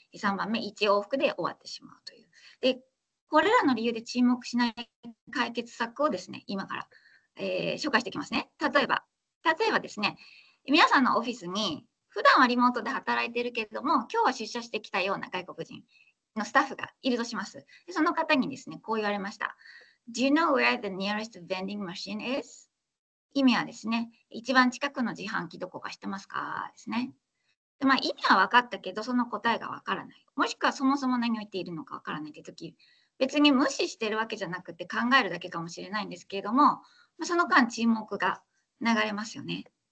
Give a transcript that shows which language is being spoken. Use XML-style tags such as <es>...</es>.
<ja>3番目、1往復で終わってしまうという。で、これらの理由で沈黙しない解決策をですね、今から、紹介していきますね。例えばですね、皆さんのオフィスに普段はリモートで働いているけれども、今日は出社してきたような外国人のスタッフがいるとします。でその方にですねこう言われました。</ja> <en>Do you know where the nearest vending machine is?</en> <ja>意味はですね、一番近くの自販機どこか知ってますかですね。で、まあ、意味は分かったけどその答えが分からない、もしくはそもそも何を言っているのか分からないという時、別に無視してるわけじゃなくて考えるだけかもしれないんですけれども、まあ、その間沈黙が流れますよね。</ja>